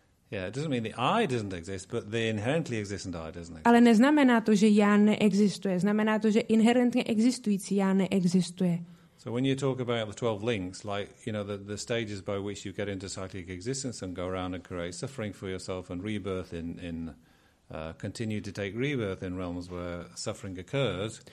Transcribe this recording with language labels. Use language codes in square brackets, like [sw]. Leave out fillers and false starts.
[en] Yeah, it doesn't mean the I doesn't exist, but the inherently existent I doesn't exist. [cs] Ale neznamená to, že já neexistuje. Znamená to, že inherentně existující já neexistuje. [en] So when you talk about the 12 links, like, the stages by which you get into cyclic existence and go around and create suffering for yourself and rebirth continue to take rebirth in realms where suffering occurs.